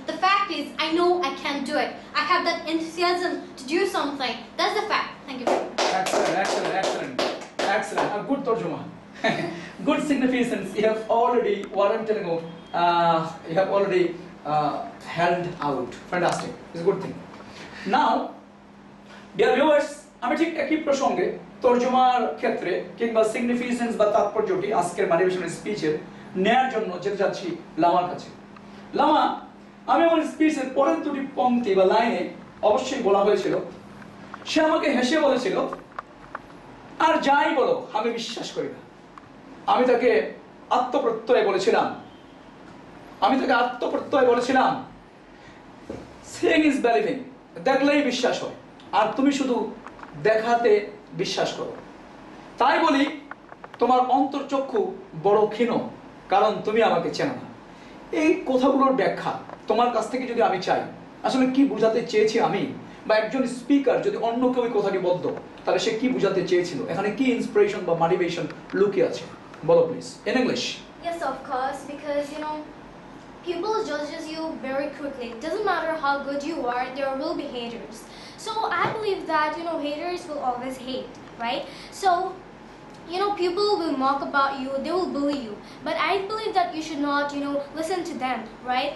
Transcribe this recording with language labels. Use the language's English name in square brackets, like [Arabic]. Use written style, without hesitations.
[English] The fact is, I know I can do it. I have that enthusiasm to do something. That's the fact. Thank you. Excellent. A good tarjuma. Good significance. You have already, what I'm telling you, you have already held out. Fantastic. It's a good thing. Now, dear viewers, [Bangla] আমি ঠিক একই প্রসঙ্গে তর্জমার ক্ষেত্রে কিংবা significance বা তাৎপর্যটি আজকের motivational স্পিচের নেয়ার জন্য যেতে যাচ্ছি লামার কাছে। লামা, আমি আমার স্পিচের পরের দুটি পংক্তি বা লাইনে অবশ্যই বলা হয়েছিল, সে আমাকে হেসে বলেছিল, আর যাই বলো আমি বিশ্বাস করি না। আমি তাকে আত্মপ্রত্যয় বলেছিলাম, আমি তাকে আত্মপ্রত্যয় বলেছিলাম, [English] seeing is believing, [Bangla] দেখলেই বিশ্বাস হয়, আর তুমি শুধু দেখাতে বিশ্বাস করো। তাই বলি তোমার অন্তর্চক্ষু বড় ক্ষীণ, কারণ তুমি আমাকে চেনো না। এই কথাগুলোর ব্যাখ্যা তোমার কাছ থেকে যদি আমি চাই, আসলে কি বোঝাতে চেয়েছি আমি, বা একজন স্পিকার যদি অন্য কেউ কথাটি বলতো, তাহলে সে কি বোঝাতে চেয়েছিল, এখানে কি ইন্সপিরেশন বা মোটিভেশন লুকিয়ে আছে, বলো [English] Please in English. Yes, of course, because you know, people judges you very quickly. It doesn't matter how good you are, there will be haters. So I believe that, you know, haters will always hate, right? So, you know, people will mock about you, they will bully you. But I believe that you should not, you know, listen to them, right?